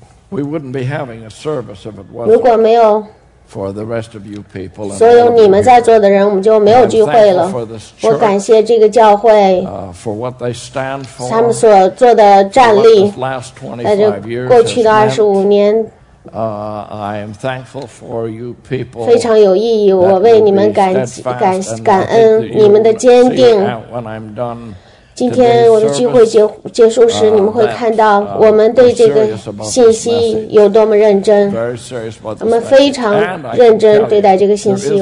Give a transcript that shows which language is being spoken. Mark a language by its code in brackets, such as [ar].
[en] We wouldn't be having a service if it wasn't. [zh] 如果没有 [en] for the rest of you people, [zh] 所有你们在座的人，我们就没有聚会了。我感谢这个教会 [en] for what they stand for, [zh] 他们所做的站立，在这过去的25年。 [en] I am thankful for you people. [zh] 非常有意义，我为你们感恩你们的坚定。今天我的聚会结束时，你们会看到我们对这个信息有多么认真，我们非常认真对待这个信息。